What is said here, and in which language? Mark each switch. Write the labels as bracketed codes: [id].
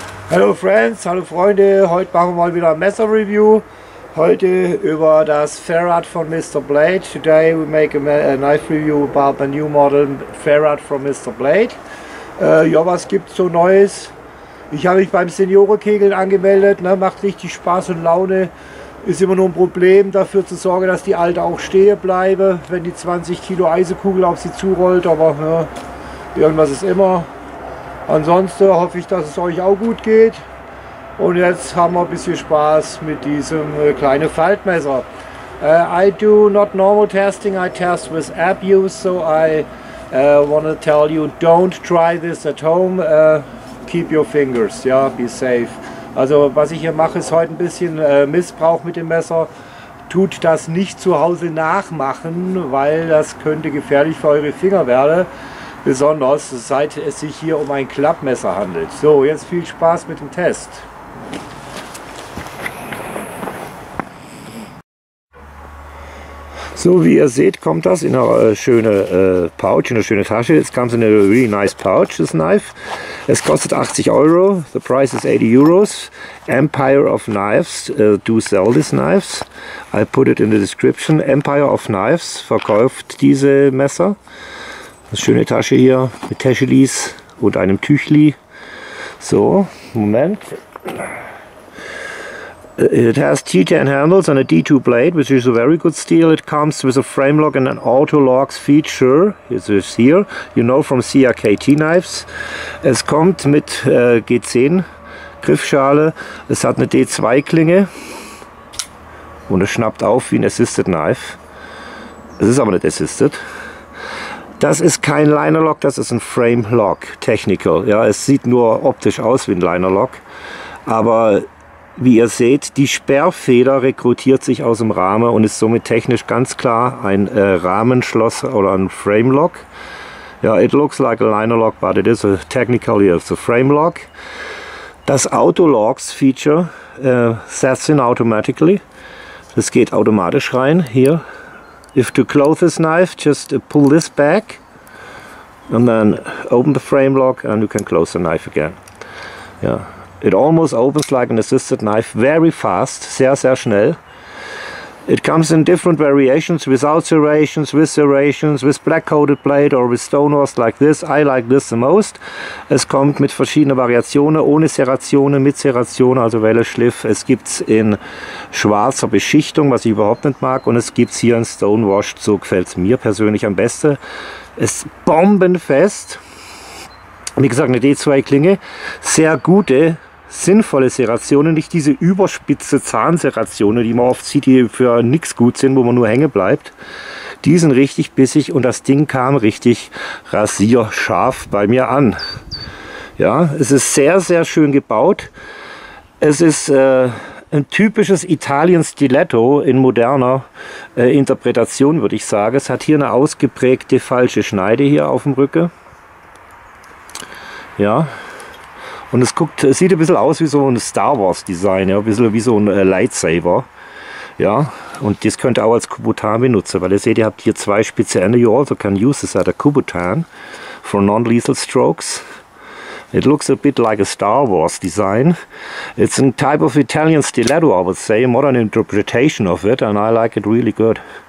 [de] Hallo Friends, hallo Freunde, heute machen wir mal wieder ein Messer-Review. Heute über das Ferrat von Mr. Blade. [en] Today we make a knife review about the new model Ferrat from Mr. [de] Blade. Ja, was gibt's so Neues? Ich habe mich beim Seniorenkegeln angemeldet, ne? Macht richtig Spaß und Laune. Ist immer nur ein Problem, dafür zu sorgen, dass die Alte auch stehen bleibe, wenn die 20 Kilo Eisekugel auf sie zurollt, aber ne, irgendwas ist immer. Ansonsten hoffe ich, dass es euch auch gut geht. Und jetzt haben wir ein bisschen Spaß mit diesem kleinen Faltmesser. [en] I do not normal testing, I test with app use, so I want to tell you, don't try this at home. Keep your fingers, yeah, be safe. [de] Also was ich hier mache, ist heute ein bisschen Missbrauch mit dem Messer. Tut das nicht zu Hause nachmachen, weil das könnte gefährlich für eure Finger werden. Besonders, seit es sich hier um ein Klappmesser handelt. So, jetzt viel Spaß mit dem Test. So, wie ihr seht, kommt das in einer schönen Pouch, in einer schönen Tasche. Es kommt in einer [en] really nice [de] Pouch, das Knife. Es kostet 80 Euro. [en] The price is 80 Euros. Empire of Knives do sell these knives. I put it in the description. Empire of Knives [de] verkauft diese Messer. Eine schöne Tasche hier mit Täschelis und einem Tüchli. So, Moment. [en] It has T10 handles and a D2 blade, which is a very good steel. It comes with a frame lock and an auto locks feature. It is here, you know from CRKT knives. [de] Es kommt mit G10 Griffschale. Es hat eine D2 Klinge. Und es schnappt auf wie ein assisted knife. Es ist aber nicht assisted. Das ist kein Liner Lock, das ist ein Frame Lock Technical. Ja, es sieht nur optisch aus wie ein Liner Lock. Aber wie ihr seht, die Sperrfeder rekrutiert sich aus dem Rahmen und ist somit technisch ganz klar ein Rahmenschloss oder ein Frame Lock. [en] Ja, it looks like a Liner Lock, but it is a, technically it's a Frame Lock. Das Auto Locks Feature sets in automatically. [de] Das geht automatisch rein hier. [en] If to close this knife, just pull this back and then open the frame lock and you can close the knife again. Yeah. It almost opens like an assisted knife, very fast, [de] sehr, sehr schnell. [en] It comes in different variations, without serrations, with black-coated blade or with stone rust like this. I like this the most. [de] Es kommt mit verschiedenen Variationen, ohne Serrationen, mit Serrationen, also Welleschliff. Es gibt es in schwarzer Beschichtung, was ich überhaupt nicht mag. Und es gibt es hier in Stonewashed, so gefällt es mir persönlich am besten. Es ist bombenfest. Wie gesagt, eine D2-Klinge. Sehr gute, sinnvolle Serrationen, nicht diese überspitze Zahnserrationen, die man oft sieht, die für nichts gut sind, wo man nur hängen bleibt. Die sind richtig bissig und das Ding kam richtig rasierscharf bei mir an. Ja, es ist sehr, sehr schön gebaut. Es ist ein typisches Italien-Stiletto in moderner Interpretation, würde ich sagen. Es hat hier eine ausgeprägte falsche Schneide hier auf dem Rücken. Ja. Und es guckt, es sieht ein bisschen aus wie so ein Star Wars Design, ja, ein bisschen wie so ein Lightsaber. Ja, und das könnt ihr auch als Kubutan benutzen, weil ihr seht, ihr habt hier zwei spitze Ende. [en] You also can use this as a Kubutan for non-lethal strokes. It looks a bit like a Star Wars design. It's a type of Italian stiletto, I would say, a modern interpretation of it, and I like it really good.